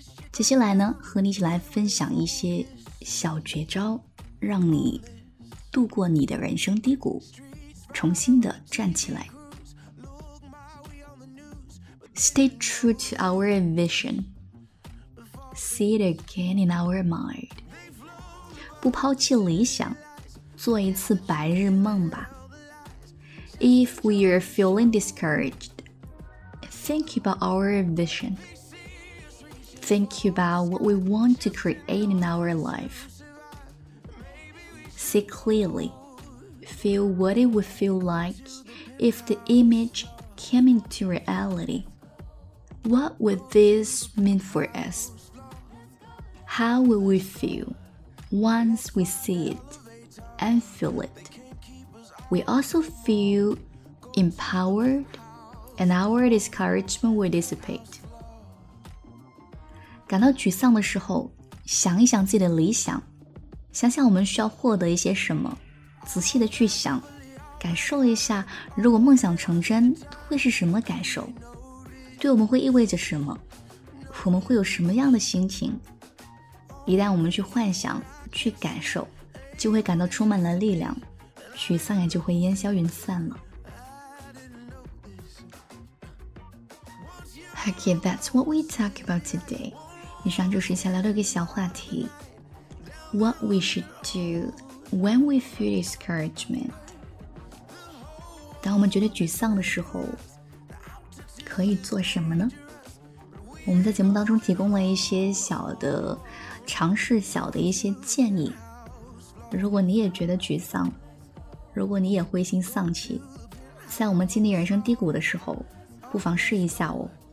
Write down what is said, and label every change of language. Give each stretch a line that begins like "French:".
Chinese: 接下来呢，和你一起来分享一些小绝招，让你度过你的人生低谷，重新的站起来。
English: Stay true to our vision. See it again in our mind.
Chinese: 不抛弃理想，做一次白日梦吧。
English: If we are feeling discouraged, think about our vision. Think about what we want to create in our life. See clearly, feel what it would feel like if the image came into reality. What would this mean for us? How will we feel once we see it and feel it? We also feel empowered and our discouragement will dissipate.
Chinese: 感到沮丧的时候，想一想自己的理想，想想我们需要获得一些什么，仔细的去想，感受一下如果梦想成真会是什么感受，对我们会意味着什么，我们会有什么样的心情。一旦我们去幻想，去感受，就会感到充满了力量，沮丧也就会烟消云散了。
English: Okay, that's what we talk about today.
Chinese: 以上就是一下聊的一个小话题，
English: What we should do when we feel discouragement.
Chinese: 当我们觉得沮丧的时候可以做什么呢？我们在节目当中提供了一些小的尝试，小的一些建议。如果你也觉得沮丧，如果你也灰心丧气，在我们经历人生低谷的时候，不妨试一下哦。